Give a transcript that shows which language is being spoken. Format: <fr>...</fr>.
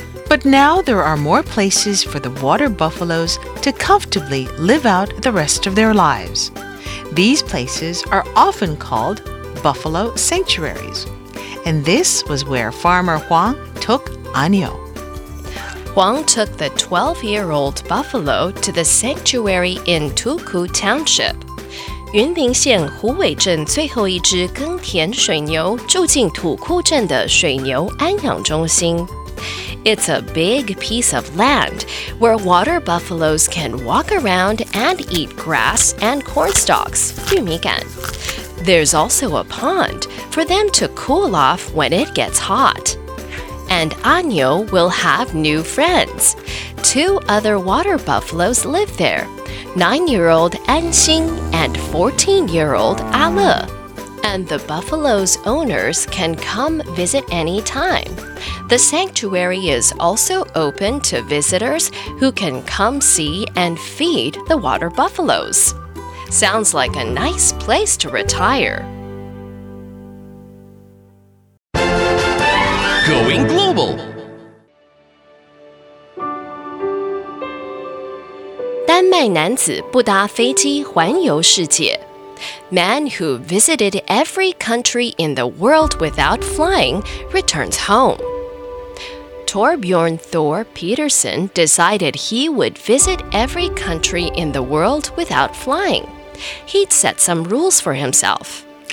<en>But now there are more places for the water buffaloes to comfortably live out the rest of their lives. These places are often called buffalo sanctuaries. And this was where Farmer Huang took Ah Niou. Huang took the 12-year-old buffalo to the sanctuary in Tuku Township.</en> <zh>云林县虎尾镇最后一只耕田水牛住进土库镇的水牛安养中心。</zh> <en>It's a big piece of land where water buffaloes can walk around and eat grass and corn stalks,</en> <zh>玉米杆.</zh> <en>There's also a pond for them to cool off when it gets hot. And Ah Niou will have new friends. Two other water buffaloes live there, 9-year-old Hsin and 14-year-old Ale. And the buffalo's owners can come visit anytime. The sanctuary is also open to visitors who can come see and feed the water buffaloes. Sounds like a nice place to retire. Going global.</en> <zh>丹麦男子不搭飞机环游世界。</zh> <en>Man who visited every country in the world without flying returns home. Torbjorn Thor Pedersen decided he would visit every country in the world without flying. He'd set some rules for himself.</en>